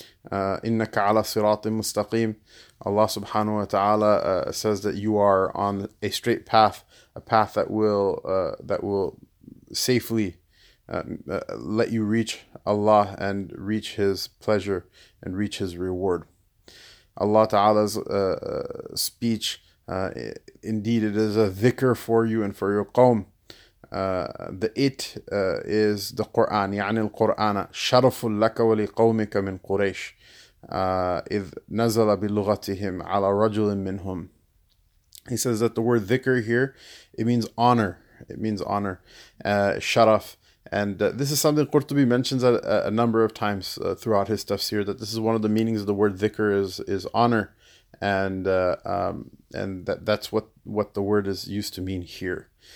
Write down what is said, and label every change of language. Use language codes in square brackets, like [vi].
[ar] Innaka ala siratin mustaqim. [en] Allah subhanahu wa ta'ala says that you are on a straight path, a path that will safely let you reach Allah and reach His pleasure and reach His reward. Allah Ta'ala's speech, indeed it is a dhikr for you and for your qawm. The is the Qur'an, [ar] يعني القرآن شرف لك ولقومك من قريش إذ نزل بلغتهم على رجل منهم. [en] He says that the word dhikr here, it means honor, sharaf. And this is something Qurtubi mentions a number of times throughout his tafsir, that this is one of the meanings of the word dhikr is honor, and that's what the word is used to mean here.